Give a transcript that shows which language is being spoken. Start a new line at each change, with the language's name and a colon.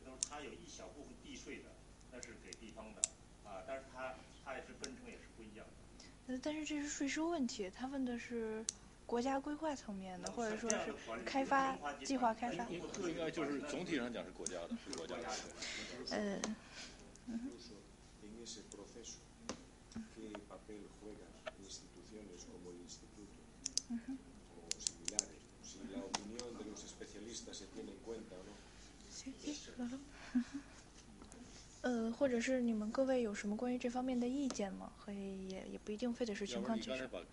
Chinese: 那么它有一小部分地税的，那是给地方的啊，但是它也是分成也是不一样的。但是这是税收问题，他问的是。国家规划层面的，或者说是开发计划开发，应该就是总体上讲是国家的，是国家的。嗯。
Spanish: en ese proceso, qué papel juegan instituciones como el instituto o similares, si la opinión de los especialistas se tiene en cuenta, ¿no? Sí, sí, claro.
Chinese: 或者是你们各位有什么关于这方面的意见吗？可以也不一定非得是情况解释。